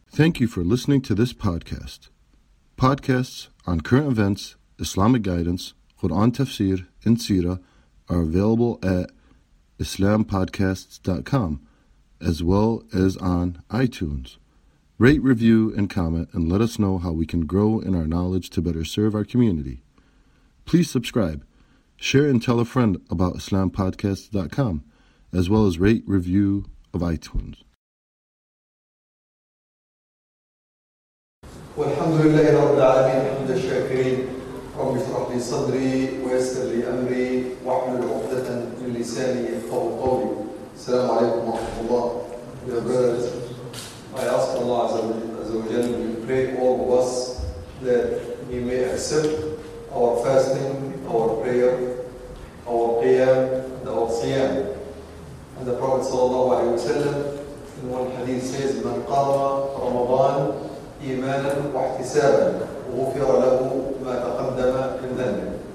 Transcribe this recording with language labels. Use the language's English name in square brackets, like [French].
[English] Thank you for listening to this podcast. Podcasts on current events, Islamic guidance, Quran tafsir, and seerah are available at islampodcasts.com as well as on iTunes. Rate, review, and comment and let us know how we can grow in our knowledge to better serve our community. Please subscribe, share, and tell a friend about islampodcasts.com as well as rate, review of iTunes. [Arabic] والحمد لله رب العالمين حمد الشاكرين رب اشرح لي صدري ويسر لي امري واحلل عقدة من لساني يفقهوا قولي. السلام عليكم ورحمه الله. [English] Dear brothers, I ask Allah Azza wa Jalla, we pray all of us that we may accept our fasting, our prayer, our qiyam, and our siyam. And the Prophet sallallahu alayhi wa sallam in one hadith says, [Arabic] من قام رمضان إيماناً واحتساباً وغفر له ما تقدم من ذنبه.